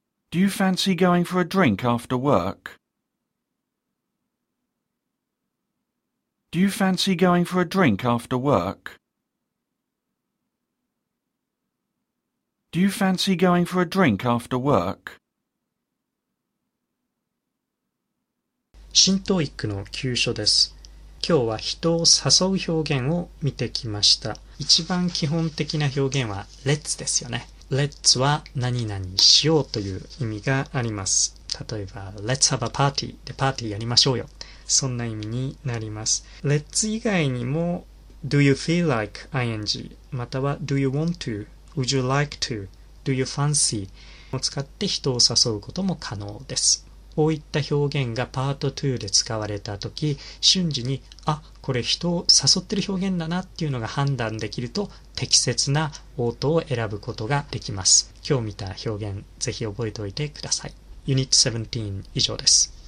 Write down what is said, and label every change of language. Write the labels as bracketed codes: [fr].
[en] Do you fancy going for a drink after work? Do you fancy going for a drink after work? Do you fancy going for a drink after work? [ja] 新トーイックの急所です。今日は人を誘う表現を見てきました。一番基本的な表現は Let's ですよね。Let's は何々しようという意味があります。例えば [en] Let's have a party [ja] でパーティーやりましょうよ。そんな意味になります。 Let's 以外にも [en] Do you feel like ing [ja] または [en] Do you want toWould you like to? Do you fancy? [ja] を使って人を誘うことも可能です。こういった表現がパート2で使われたとき、瞬時に、あ、これ人を誘ってる表現だなっていうのが判断できると、適切な応答を選ぶことができます。今日見た表現、ぜひ覚えておいてください。Unit 17以上です。